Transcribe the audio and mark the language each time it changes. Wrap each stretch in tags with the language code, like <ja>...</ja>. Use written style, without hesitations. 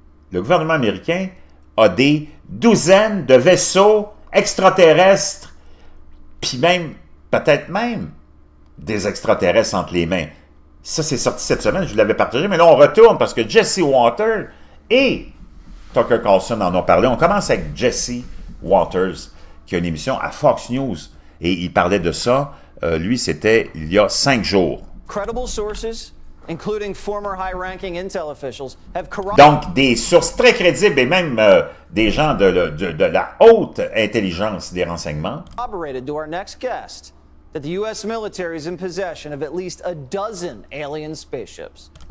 <fr>Le gouvernement américain a des douzaines de vaisseaux extraterrestres, puis même, peut-être même, des extraterrestres entre les mains. Ça, c'est sorti cette semaine, je vous l'avais partagé, mais là, on retourne parce que Jesse Waters et Tucker Carlson en ont parlé. On commence avec Jesse Waters, qui a une émission à Fox News, et il parlait de ça, lui, c'était il y a 5 jours.</fr> <en>Credible sources, including former high-ranking intel officials, have corrupted...</en> <fr>Donc, des sources très crédibles et même des gens de la haute intelligence des renseignements.</fr> <en>Corroborated to our next guest that the U.S. military is in possession of at least a dozen alien spaceships.</en>